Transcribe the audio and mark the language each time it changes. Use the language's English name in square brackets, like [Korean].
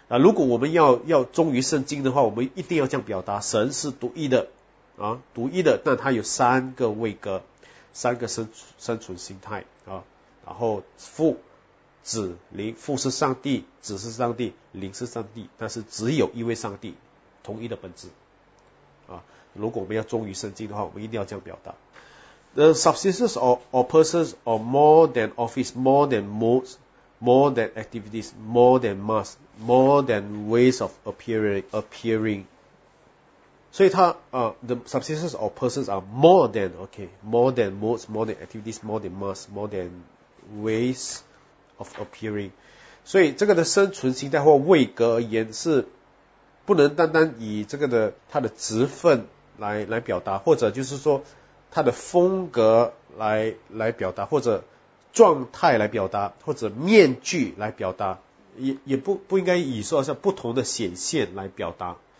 [Chinese] 如果我们要忠于圣经的话，我们一定要这样表达：神是独一的，独一的，但他有三个位格，三个生存形态然后父、子、灵，父是上帝，子是上帝，灵是上帝，但是只有一位上帝，同一的本质如果我们要忠于圣经的话，我们一定要这样表达。 [English] The subsistence or persons are more than office, more than modes, more than activities, more than mass, more than ways of appearing. [Chinese] 所以他 [English] the subsistence or persons are more than, okay, more than modes, more than activities, more than mass, more than ways of appearing。 [Chinese] 所以这个的生存形态或位格而言，是不能单单以这个的他的职分来表达，或者就是说他的风格来表达，或者状态来表达，或者面具来表达，也不应该以说像不同的显现来表达。